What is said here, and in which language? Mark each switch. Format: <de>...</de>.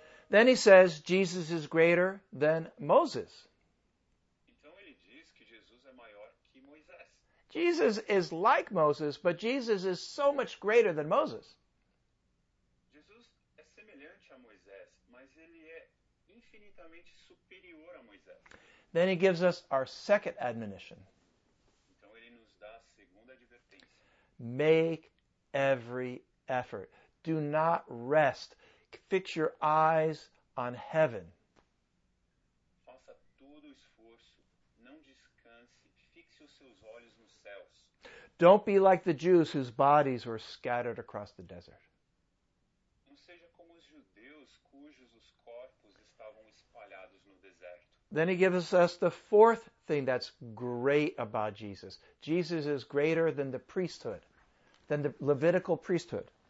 <en>Then he says Jesus is greater than Moses.</en> <pt>Então ele diz que Jesus é maior que Moisés.</pt> <en>Jesus is like Moses, but Jesus is so much greater than Moses.</en> <pt>Jesus é semelhante a Moisés, mas ele é infinitamente superior a Moisés.</pt> <en>Then he gives us our second admonition.</en> <pt>Então ele nos dá a segunda advertência.</pt> <en>Make every effort. Do not rest. Fix your eyes on heaven.</en> <pt>Faça todo o esforço, não descanse, fixe os seus olhos nos céus.</pt> <en>Don't be like the Jews whose bodies were scattered across the desert.</en> <pt>Não seja como os judeus cujos corpos estavam espalhados no deserto.</pt> <en>Then he gives us the fourth thing that's great about Jesus. Jesus is greater than the priesthood, than the Levitical priesthood.</en>